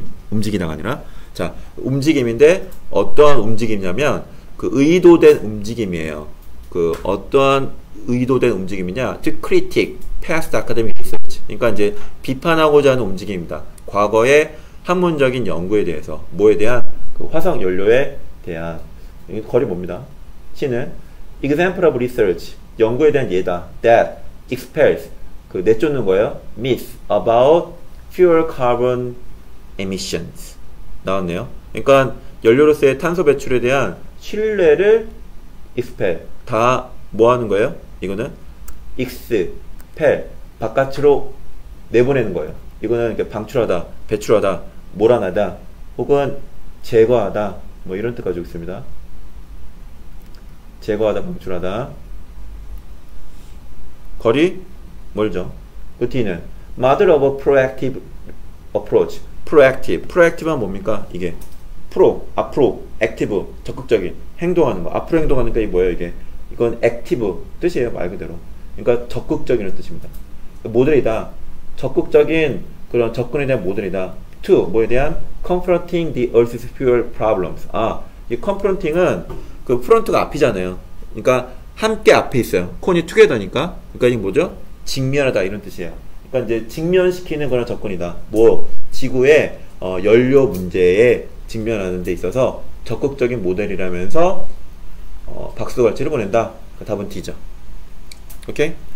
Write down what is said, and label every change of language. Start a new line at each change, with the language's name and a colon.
Korean: 움직이다가 아니라 자 움직임인데 어떠한 움직임이냐면 그 의도된 움직임이에요 그 어떠한 의도된 움직임이냐
English: to critique past academic research
Korean: 그러니까 이제 비판하고자 하는 움직임입니다 과거의 학문적인 연구에 대해서 뭐에 대한 그 화석 연료에 대한 거리 봅니다 C는
English: example of research,
Korean: 연구에 대한 예다,
English: that expels,
Korean: 그 내쫓는 거예요,
English: myths about fewer carbon emissions.
Korean: 나왔네요. 그러니까 연료로서의 탄소 배출에 대한 신뢰를 expel, 다 뭐하는 거예요? 이거는 expel, 바깥으로 내보내는 거예요. 이거는 방출하다, 배출하다, 몰아나다, 혹은 제거하다, 뭐 이런 뜻 가지고 있습니다. 제거하다, 방출하다. 거리? 멀죠.
English: 그 뒤는 Model of a proactive approach. Proactive.
Korean: Proactive는 뭡니까? 이게 프로, 앞으로, active, 적극적인, 행동하는 거. 앞으로 행동하는 게 뭐예요, 이게? 이건 active 뜻이에요, 말 그대로. 그러니까 적극적인 뜻입니다. 모델이다. 적극적인 그런 접근에 대한 모델이다. To, 뭐에 대한?
English: Confronting the Earth's fuel problems.
Korean: 아, 이 confronting은 그 프론트가 앞이잖아요. 그러니까 함께 앞에 있어요. 콘이 투게더니까. 그러니까 이게 뭐죠? 직면하다 이런 뜻이에요. 그러니까 이제 직면시키는 그런 접근이다. 뭐 지구의 연료 문제에 직면하는 데 있어서 적극적인 모델이라면서 박수갈채를 보낸다. 그 답은 D죠. 오케이?